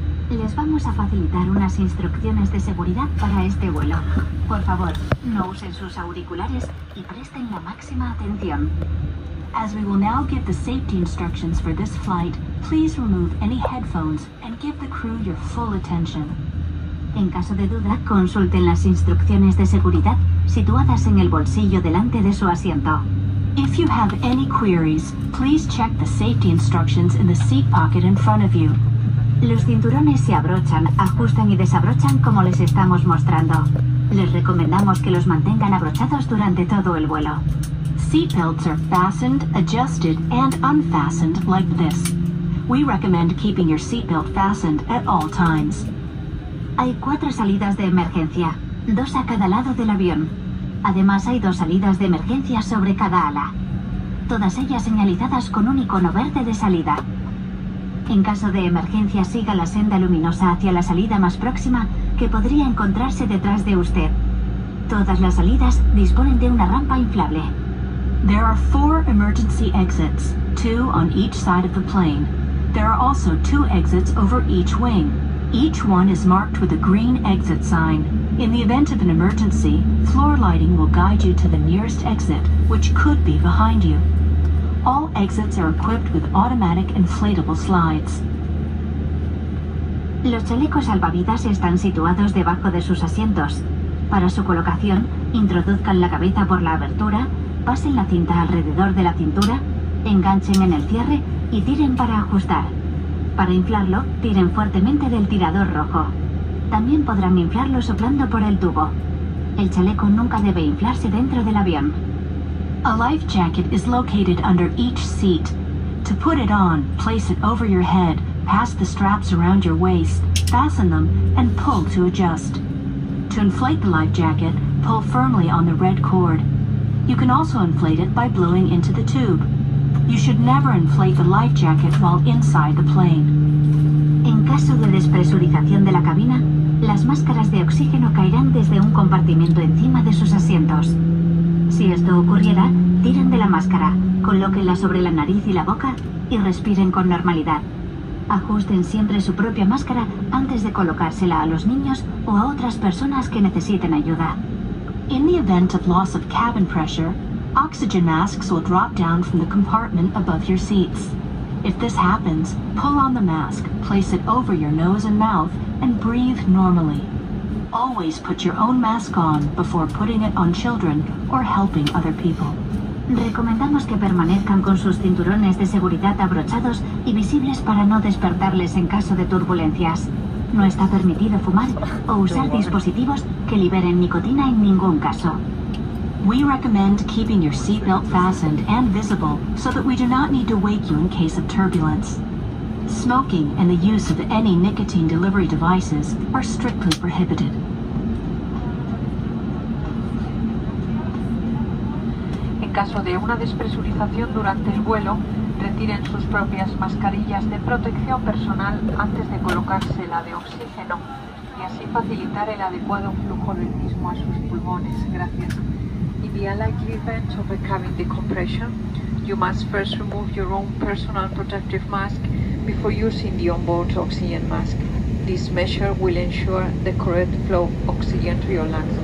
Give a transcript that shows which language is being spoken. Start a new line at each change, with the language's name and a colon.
Spanish: Les vamos a facilitar unas instrucciones de seguridad para este vuelo. Por favor, no usen sus auriculares y presten la máxima atención.
English: As we will now give the safety instructions for this flight, please remove any headphones and give the crew your full attention.
Spanish: En caso de duda, consulten las instrucciones de seguridad situadas en el bolsillo delante de su asiento.
English: If you have any queries, please check the safety instructions in the seat pocket in front of you.
Spanish: Los cinturones se abrochan, ajustan y desabrochan como les estamos mostrando. Les recomendamos que los mantengan abrochados durante todo el vuelo.
English: Seatbelts are fastened, adjusted, and unfastened like this. We recommend keeping your seatbelt fastened at all times.
Spanish: Hay cuatro salidas de emergencia, dos a cada lado del avión. Además, hay dos salidas de emergencia sobre cada ala. Todas ellas señalizadas con un icono verde de salida. En caso de emergencia, siga la senda luminosa hacia la salida más próxima que podría encontrarse detrás de usted. Todas las salidas disponen de una rampa inflable.
English: There are four emergency exits, two on each side of the plane. There are also two exits over each wing. Each one is marked with a green exit sign. In the event of an emergency, floor lighting will guide you to the nearest exit, which could be behind you. All exits are equipped with automatic inflatable slides.
Spanish: Los chalecos salvavidas están situados debajo de sus asientos. Para su colocación, introduzcan la cabeza por la abertura, pasen la cinta alrededor de la cintura, enganchen en el cierre y tiren para ajustar. Para inflarlo, tiren fuertemente del tirador rojo. También podrán inflarlo soplando por el tubo. El chaleco nunca debe inflarse dentro del avión.
English: A life jacket is located under each seat. To put it on, place it over your head, pass the straps around your waist, fasten them, and pull to adjust. To inflate the life jacket, pull firmly on the red cord. You can also inflate it by blowing into the tube. You should never inflate the life jacket while inside the plane.
Spanish: En caso de despresurización de la cabina, las máscaras de oxígeno caerán desde un compartimento encima de sus asientos. Si esto ocurriera, tiren de la máscara, colóquenla sobre la nariz y la boca y respiren con normalidad. Ajusten siempre su propia máscara antes de colocársela a los niños o a otras personas que necesiten ayuda.
English: In the event of loss of cabin pressure, oxygen masks will drop down from the compartment above your seats. If this happens, pull on the mask, place it over your nose and mouth, and breathe normally. Always put your own mask on before putting it on children or helping other people.
Spanish: Recomendamos que permanezcan con sus cinturones de seguridad abrochados y visibles para no despertarles en caso de turbulencias. No está permitido fumar o usar dispositivos que liberen nicotina en ningún caso.
English: We recommend keeping your seatbelt fastened and visible so that we do not need to wake you in case of turbulence. Smoking and the use of any nicotine delivery devices are strictly prohibited.
Spanish: En caso de una despresurización durante el vuelo, retiren sus propias mascarillas de protección personal antes de colocarse la de oxígeno y así facilitar el adecuado flujo del mismo a sus pulmones. Gracias.
English: In the unlikely event of a cabin decompression, you must first remove your own personal protective mask before using the onboard oxygen mask. This measure will ensure the correct flow of oxygen to your lungs.